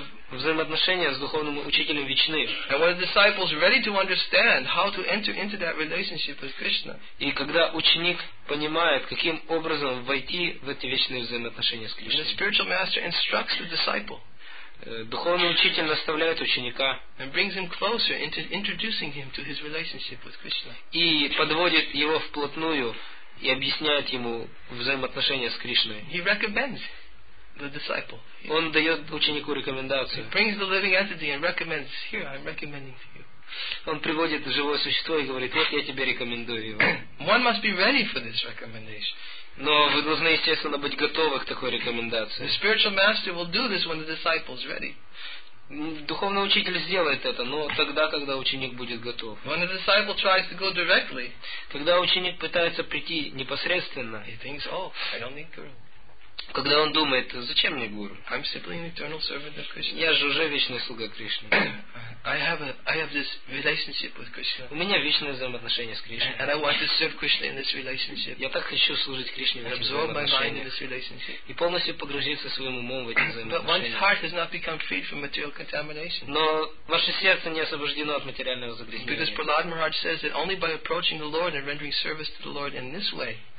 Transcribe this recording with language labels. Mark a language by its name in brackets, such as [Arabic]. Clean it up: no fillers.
[Russian] Взаимоотношения с духовным учителем вечны. [English] And when the disciple is ready to understand how to enter into that relationship with Krishna. [Russian] И когда ученик понимает, каким образом войти в эти вечные взаимоотношения с Кришной. [English] And the spiritual master instructs the disciple. [Russian] Духовный учитель наставляет ученика. [English] And brings him closer into introducing him to his relationship with Krishna. [Russian] И подводит его вплотную и объясняет ему взаимоотношения с Кришной. [English] He recommends the disciple. [Russian] Он дает ученику рекомендацию. [English] He brings the living entity and recommends, here, I'm recommending to you. [Russian] Он приводит живое существо и говорит, вот я тебе рекомендую его. [English] One must be ready for this recommendation. [Russian] Но вы должны, естественно, быть готовы к такой рекомендации. [English] The spiritual master will do this when the disciple is ready. [Russian] Духовный учитель сделает это, но тогда, когда ученик будет готов. [English] When the disciple tries to go directly, [Russian] когда ученик пытается прийти непосредственно, [English] he thinks, oh, I don't need guru. [Russian] Когда он думает, зачем мне гуру? [English] I'm simply an eternal servant of Krishna. [Russian] Я же уже вечный слуга Кришны. [English] I have this relationship with Krishna. [Russian] У меня вечное взаимоотношение с Кришной. [English] And I want to serve Krishna in this relationship. [Russian] Я так хочу служить Кришне в этих взаимоотношениях. И полностью погрузиться своим умом в эти взаимоотношения. [English] But one's heart has not become freed from material contamination. [Russian] Но ваше сердце не освобождено от материального загрязнения. [English] Because Prahlad Maharaj says that only by approaching the Lord and rendering service to the Lord in this way.